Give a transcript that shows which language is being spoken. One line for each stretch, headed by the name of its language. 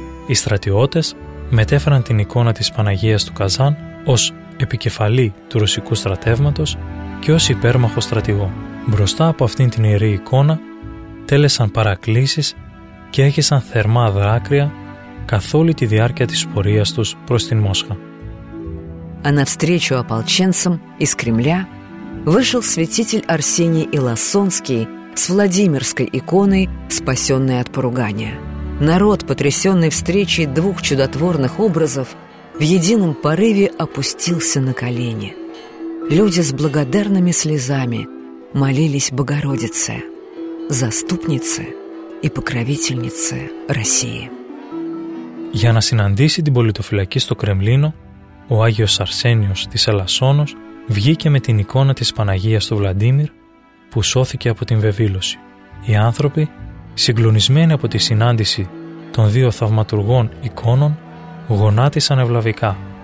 Greek: Οι στρατιώτες μετέφεραν την εικόνα της Παναγίας του Καζάν ως επικεφαλή του ρωσικού στρατεύματος και ως υπέρμαχο στρατηγό. Μπροστά από αυτήν την ιερή εικόνα τέλεσαν παρακλήσεις και έχεσαν θερμά δάκρυα καθ' όλη τη διάρκεια της πορείας τους προς την Μόσχα.
Russian: А навстречу ополченцам из Кремля вышел святитель Арсений Илосонский с Владимирской иконой, спасенной от поругания. Народ, потрясенный встречей двух чудотворных образов, в едином порыве опустился на колени. Люди с благодарными слезами молились Богородице, заступнице и покровительнице России.
Greek: Για να συναντήσει την πολιτοφυλακή στο Κρεμλίνο, ο Άγιος Αρσένιος της Ελασσόνος βγήκε με την εικόνα της Παναγίας του Βλαντίμιρ που σώθηκε από την βεβήλωση. Οι άνθρωποι, συγκλονισμένοι από τη συνάντηση των δύο θαυματουργών εικόνων, γονάτισαν ευλαβικά.